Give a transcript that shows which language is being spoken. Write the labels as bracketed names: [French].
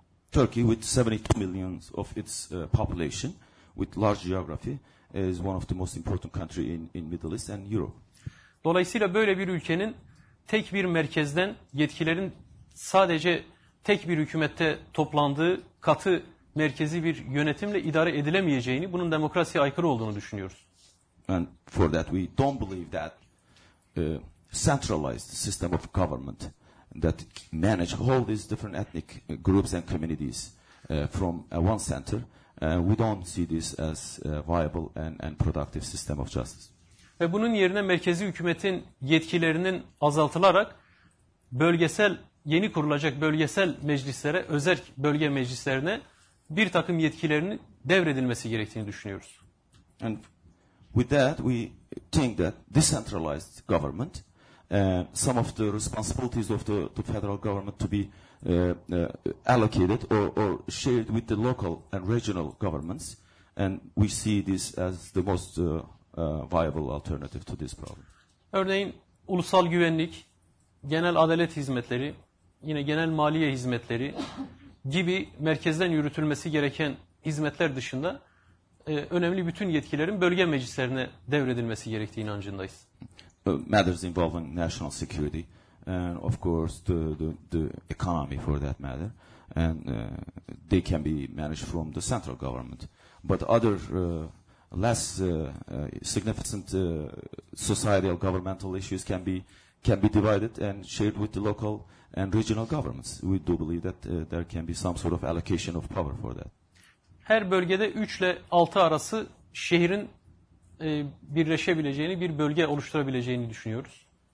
[English] Turkey with 72 million of its population with large geography is one of the most important country in Middle East and Europe. [Turkish] Dolayısıyla böyle bir ülkenin tek bir merkezden yetkilerin sadece tek bir hükümette toplandığı katı merkezi bir yönetimle idare edilemeyeceğini, bunun demokrasiye aykırı olduğunu düşünüyoruz. [English] And for that we don't believe that centralized system of government that manage all these different ethnic groups and communities from one center, we don't see this as viable and productive system of justice. [Turkish] Ve bunun yerine merkezi hükümetin yetkilerinin azaltılarak bölgesel, yeni kurulacak bölgesel meclislere, özerk bölge meclislerine bir takım yetkilerinin devredilmesi gerektiğini düşünüyoruz. [English] And with that we think that decentralized government, some of the responsibilities of the federal government to be allocated or shared with the local and regional governments, and we see this as the most viable alternative to this problem. [Turkish] Örneğin ulusal güvenlik, genel adalet hizmetleri, yine genel maliye hizmetleri gibi merkezden yürütülmesi gereken hizmetler dışında önemli bütün yetkilerin bölge meclislerine devredilmesi gerektiği inancındayız. [English] Matters involving national security and of course the economy for that matter, and they can be managed from the central government, but other less significant societal governmental issues can be divided and shared with the local and regional governments. We do believe that there can be some sort of allocation of power for that. [Turkish] Her bölgede 3 ile 6 arası şehrin birleşebileceğini, bir bölge oluşturabileceğini düşünüyoruz.